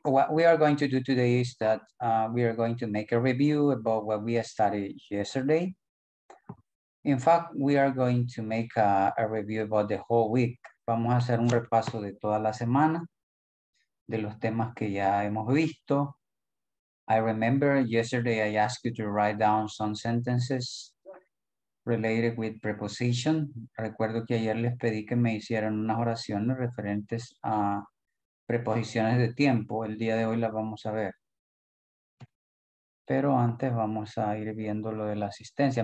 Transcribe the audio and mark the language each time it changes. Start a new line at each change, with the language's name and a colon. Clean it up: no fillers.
English: What we are going to do today is that we are going to make a review about what we studied yesterday. In fact, we are going to make a review about the whole week.
Spanish: Vamos a hacer un repaso de toda la semana, de los temas que ya hemos visto.
English: I remember yesterday I asked you to write down some sentences related with preposition.
Spanish: Recuerdo que ayer les pedí que me hicieran unas oraciones referentes a preposiciones de tiempo. El día de hoy las vamos a ver. Pero antes vamos a ir viendo lo de la asistencia.